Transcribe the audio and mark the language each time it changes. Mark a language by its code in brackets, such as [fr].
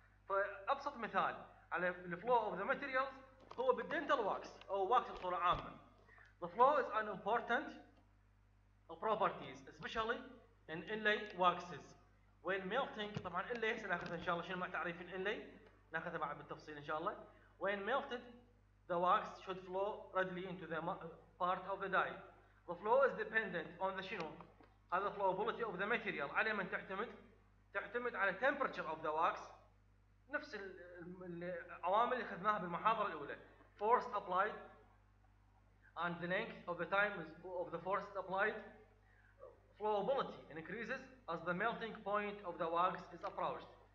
[ar] فابسط مثال على الفلو اوف ذا ماتيريالز هو بالدنتال واكس او واكس بصورة عامة. [en] The flow is an important properties especially in inlay waxes when melting. [ar] طبعا inlay هسه ناخذ ان شاء الله شنو مع تعريف الانلاي، ناخذها بعد بالتفصيل ان شاء الله. [en] When melted the wax should flow readily into the part of the dye. The flow is dependent on the [ar] شنو؟ هذا [en] flowability of the material. [ar] على من تعتمد؟ تعتمد على [en] temperature of the wax، [ar] نفس العوامل اللي اخذناها بالمحاضره الاولى. [en] force applied and the length of the time of the force applied. flowability increases as the melting point of the wax is approached.